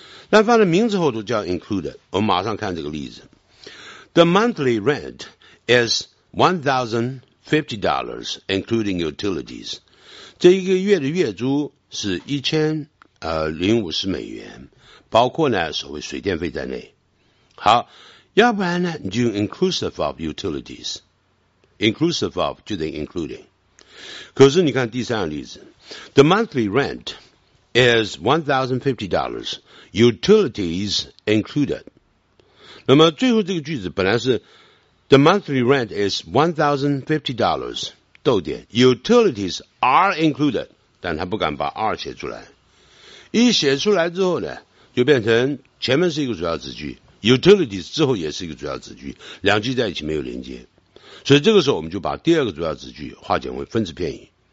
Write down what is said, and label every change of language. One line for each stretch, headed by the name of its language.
Chinese: 那放在名词后都叫 included。我们马上看这个例子，
English: The monthly rent is $1,050 including utilities，
Chinese: 这一个月的月租是1050美元，包括呢所谓水电费在内。好，要不然呢你就
English: inclusive of utilities，
Chinese: inclusive of 就等于 including。可是你看第三个例子，
English: The monthly rent is $1,050 utilities included。
Chinese: 那么最后这个句子本来是
English: The monthly rent is $1,050
Chinese: 逗点
English: utilities are included，
Chinese: 但他不敢把 are 写出来，一写出来之后呢就变成前面是一个主要子句， utilities 之后也是一个主要子句，两句在一起没有连接，所以这个时候我们就把第二个主要子句化简为分词片语。